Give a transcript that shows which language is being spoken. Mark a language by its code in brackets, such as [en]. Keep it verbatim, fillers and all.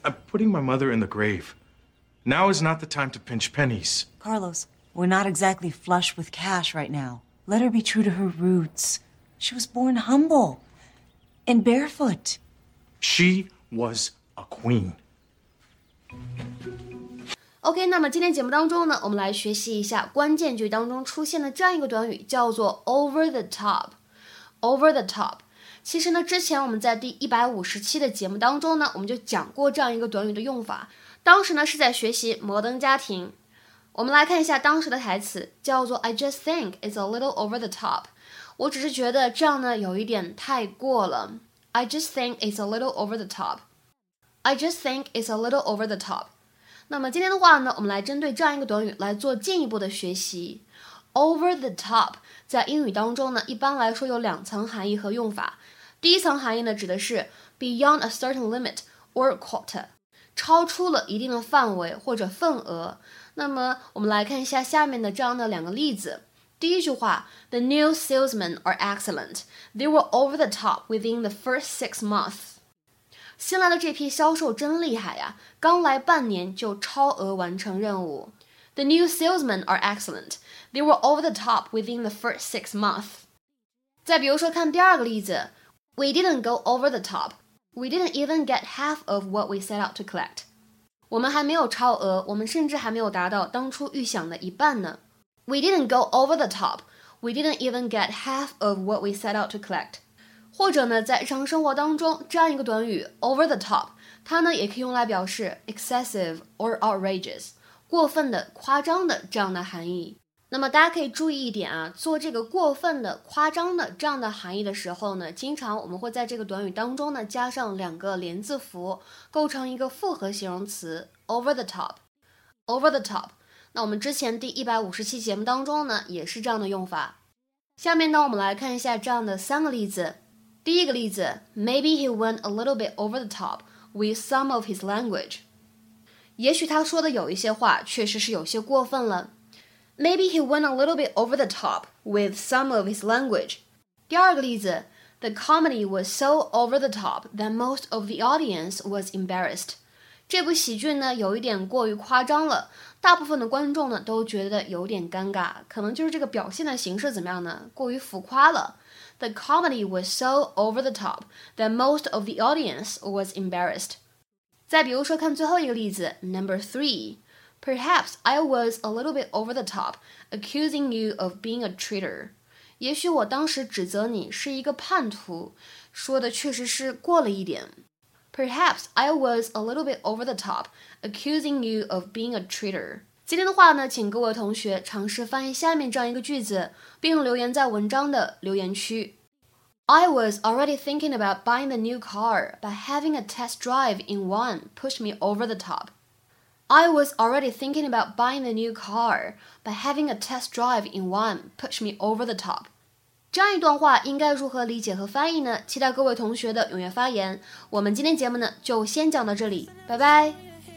[en] I'm putting my mother in the grave. Now is not the time to pinch pennies. Carlos, we're not exactly flush with cash right now. Let her be true to her roots. She was born humble and barefoot. She was a queen. [zh] OK, 那么今天节目当中呢，我们来学习一下关键句当中出现的这样一个短语，叫做 over the top. [en] Over the top. [zh] 其实呢，之前我们在第一百五十期的节目当中呢，我们就讲过这样一个短语的用法。当时呢是在学习《摩登家庭》，我们来看一下当时的台词，叫做 [en] I just think it's a little over the top. [zh] 我只是觉得这样呢有一点太过了。 [en] I just think it's a little over the top. I just think it's a little over the top. [zh] 那么今天的话呢，我们来针对这样一个短语来做进一步的学习。 Over the top 在英语当中呢，一般来说有两层含义和用法。第一层含义呢，指的是 [en] beyond a certain limit or quota， [zh] 超出了一定的范围或者份额。那么我们来看一下下面的这样的两个例子。第一句话 [en] The new salesmen are excellent. They were over the top within the first six months. [zh] 新来的这批销售真厉害呀，刚来半年就超额完成任务。 [en] The new salesmen are excellent. They were over the top within the first six months. [zh] 再比如说看第二个例子 [en] We didn't go over the top. We didn't even get half of what we set out to collect. [zh] 我们还没有超额，我们甚至还没有达到当初预想的一半呢。 [en] We didn't go over the top. We didn't even get half of what we set out to collect. [zh] 或者呢，在日常生活当中，这样一个短语 over the top， 它呢也可以用来表示 [en] excessive or outrageous， [zh] 过分的、夸张的这样的含义。那么大家可以注意一点啊，做这个过分的、夸张的这样的含义的时候呢，经常我们会在这个短语当中呢加上两个连字符，构成一个复合形容词 over the top。 over the top。那我们之前第一百五十期节目当中呢也是这样的用法。下面呢我们来看一下这样的三个例子。第一个例子 [en] Maybe he went a little bit over the top with some of his language. [zh] 也许他说的有一些话确实是有些过分了。 [en] Maybe he went a little bit over the top with some of his language. [zh] 第二个例子 [en] The comedy was so over the top that most of the audience was embarrassed. [zh] 这部喜剧呢有一点过于夸张了，大部分的观众呢都觉得有点尴尬，可能就是这个表现的形式怎么样呢？过于浮夸了。 [en] The comedy was so over the top that most of the audience was embarrassed. [zh] 再比如说看最后一个例子 [en] ，Number three, perhaps I was a little bit over the top, accusing you of being a traitor. [zh] 也许我当时指责你是一个叛徒，说的确实是过了一点。 [en] Perhaps I was a little bit over the top, accusing you of being a traitor. [zh] 今天的话呢，请各位同学尝试翻译下面这样一个句子，并留言在文章的留言区。 [en] I was already thinking about buying a new car, but having a test drive in one pushed me over the top. I was already thinking about buying a new car, but having a test drive in one pushed me over the top. [zh] 这样一段话应该如何理解和翻译呢？期待各位同学的踊跃发言。我们今天节目呢，就先讲到这里，拜拜。